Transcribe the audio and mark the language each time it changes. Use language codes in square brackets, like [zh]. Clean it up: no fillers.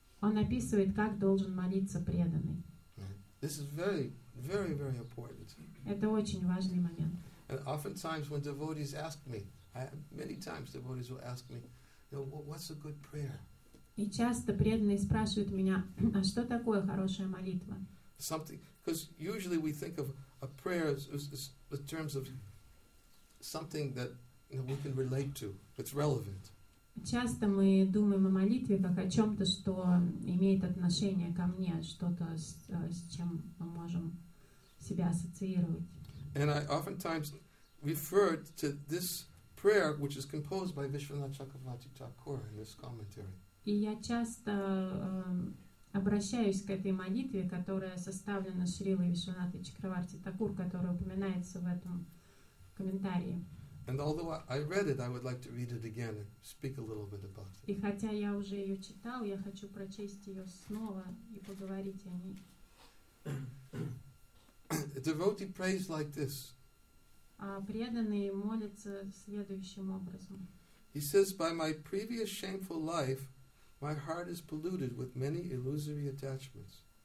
[ru] Он описывает, как должен молиться преданный. [en] This is very, very, very important. [ru] Это очень важный момент. [en] And oftentimes when devotees ask me, what's a good prayer? [ru] И часто преданные спрашивают меня, а что такое хорошая молитва? [en] Something, because usually we think of a prayer as in terms of something that we can relate to, that's relevant. [ru] Часто мы думаем о молитве как о чем-то, что имеет отношение ко мне, что-то, с чем мы можем себя ассоциировать. [en] And I oftentimes refer to this prayer, which is composed by Viśvanātha Chakravarti Thakura in this commentary. [ru] И я часто обращаюсь к этой молитве, которая составлена Шрилой Вишванатой Чакраварти Такур, которая упоминается в этом комментарии. [en] And although I read it, I would like to read it again and speak a little bit about it. [ru] И хотя я уже ее читал, я хочу прочесть ее снова и поговорить о ней. [en] A devotee prays like this. [ru] Преданный молится следующим образом. [en] He says, "By my previous shameful life, my heart is polluted with many illusory attachments."